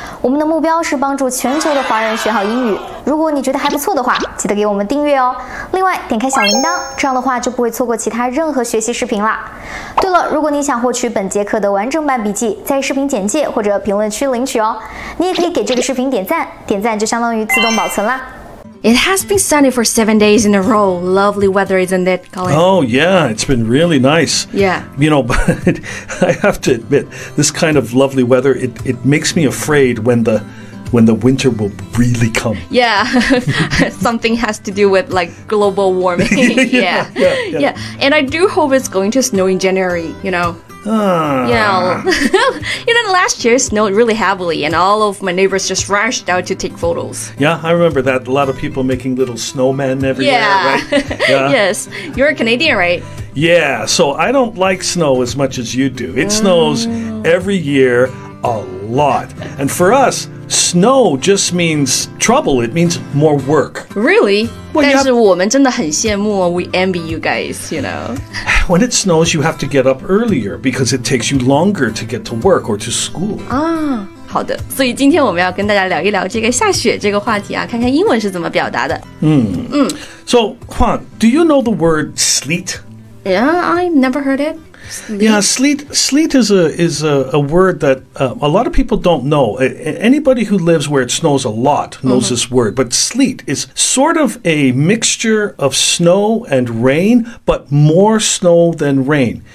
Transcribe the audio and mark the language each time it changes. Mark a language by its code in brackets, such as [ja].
[zh] 我们的目标是帮助全球的华人学好英语。如果你觉得还不错的话，记得给我们订阅哦。另外点开小铃铛，这样的话就不会错过其他任何学习视频啦。对了，如果你想获取本节课的完整版笔记，在视频简介或者评论区领取哦。你也可以给这个视频点赞，点赞就相当于自动保存啦。 [en] It has been sunny for 7 days in a row. Lovely weather, isn't it, Colin? Oh, yeah. It's been really nice. Yeah. You know, but I have to admit, this kind of lovely weather, it makes me afraid when the winter will really come. Yeah. Something has to do with, like, global warming. Yeah. And I do hope it's going to snow in January, you know. You know, last year snowed really heavily and all of my neighbors just rushed out to take photos. Yeah, I remember that. A lot of people making little snowmen everywhere, yeah. Right? Yeah. Yes, you're a Canadian, right? Yeah, so I don't like snow as much as you do. It snows every year a lot. And for us, snow just means trouble. It means more work. Really? Well, [zh] 但是我们真的很羡慕 [en] We envy you guys, you know. When it snows, you have to get up earlier because it takes you longer to get to work or to school. [zh] Ah, 好的。所以今天我们要跟大家聊一聊这个下雪这个话题啊，看看英文是怎么表达的。 [en] So, Juan, do you know the word sleet? Yeah, I never heard it. Sleet. Yeah, sleet is a word that a lot of people don't know. Anybody who lives where it snows a lot knows this word. But sleet is sort of a mixture of snow and rain, but more snow than rain.